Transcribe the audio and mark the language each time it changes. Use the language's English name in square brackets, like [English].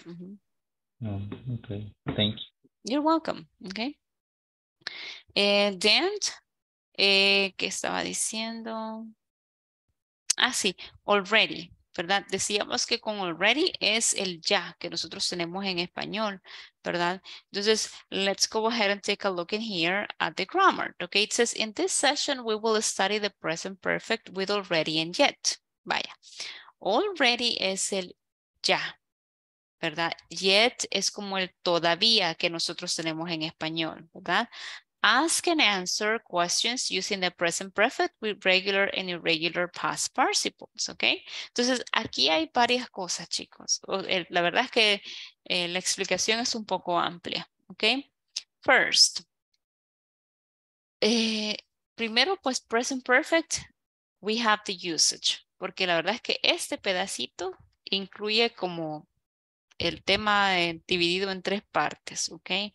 [English] Uh-huh. Ok, thank you. You're welcome, ok. [Spanish] Dan, ¿qué estaba diciendo? Ah, sí, already, ¿verdad? Decíamos que con already es el ya que nosotros tenemos en español, ¿verdad? [English] Entonces, let's go ahead and take a look in here at the grammar, okay? It says, in this session, we will study the present perfect with already and yet. [Spanish] Vaya, already es el ya, ¿verdad? Yet es como el todavía que nosotros tenemos en español, ¿verdad? [English] Ask and answer questions using the present perfect with regular and irregular past participles, ¿ok? [Spanish] Entonces, aquí hay varias cosas, chicos. La verdad es que la explicación es un poco amplia, ¿ok? [English] First, [Spanish] primero, pues, [English] present perfect, we have the usage. [Spanish] Porque la verdad es que este pedacito incluye como el tema dividido en tres partes, ¿ok?